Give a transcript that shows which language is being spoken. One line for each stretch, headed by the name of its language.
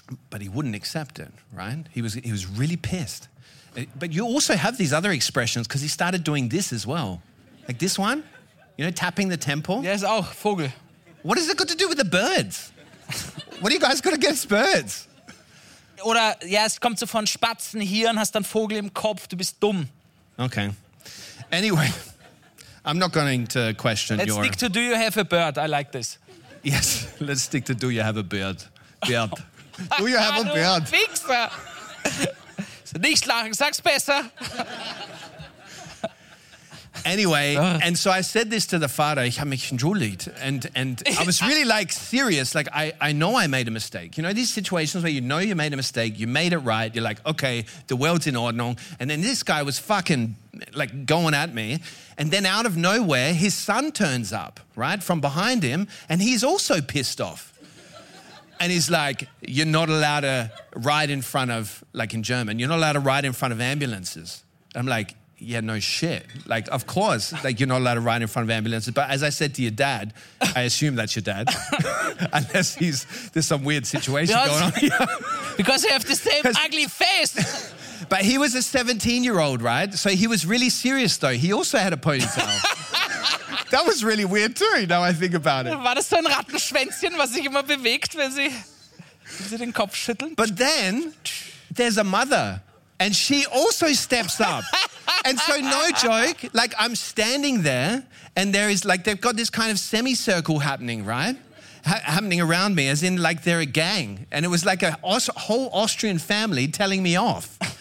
English: But he wouldn't accept it, right? He was really pissed. But you also have these other expressions because he started doing this as well. Like this one, you know, tapping the temple.
German: Yes, auch Vogel.
English: What has it got to do with the birds? What are you guys got against birds?
German: Oder, ja, es kommt so von Spatzenhirn, hast dann Vogel im Kopf, du bist dumm.
English: Okay. Anyway. I'm not going to question let's your... Let's stick to do you have a bird. I like this. Yes, let's stick to do you have a bird. Bird. Do you have a bird?
German: Fixer. So nicht lachen, sag's besser.
English: Anyway, and so I said this to the father.
German: Ich habe mich entschuldigt.
English: And I was really like serious. Like, I know I made a mistake. You know, these situations where you know you made a mistake, you made it right. You're like, okay, the world's
German: in ordnung.
English: And then this guy was fucking like going at me. And then out of nowhere, his son turns up, right, from behind him. And he's also pissed off. And he's like, you're not allowed to ride in front of, like in German, you're not allowed to ride in front of ambulances. I'm like, yeah, no shit. Like, of course, like you're not allowed to ride in front of ambulances. But as I said to your dad, I assume that's your dad, unless there's some weird situation because, going on. Because you have the same ugly face. But he was a 17-year-old, right? So he was really serious, though. He also had a ponytail. That was really weird, too, now I think about it.
German: War das so ein Rattenschwänzchen, was sich immer bewegt, wenn sie den Kopf schütteln?
English: But then, there's a mother And she also steps up. And so no joke, like I'm standing there and there is like, they've got this kind of semicircle happening, right? Happening around me as in like they're a gang. And it was like a whole Austrian family telling me off.